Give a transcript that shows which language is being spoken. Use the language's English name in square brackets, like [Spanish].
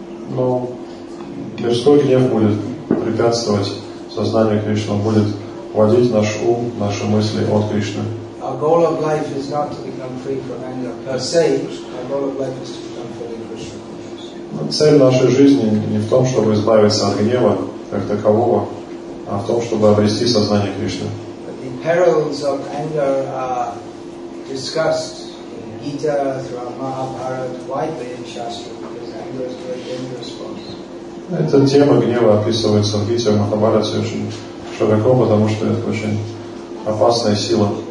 [Russian] Но мирской гнев будет препятствовать сознанию Кришны, он будет водить наш ум, наши мысли от Кришны. [English] Our goal of life is not to become free from anger per se. Our goal of life is to become fully Krishna conscious. [Russian] Цель нашей жизни не в том, чтобы избавиться от гнева как такового, а в том, чтобы обрести сознание Кришны. [English] The perils of anger are discussed in Gita, throughout Mahabharata, widely in Shastra, because anger is very dangerous for us. [Russian] Эта тема гнева описывается в Гите, в Махабхарате очень широко, потому что это очень опасная сила.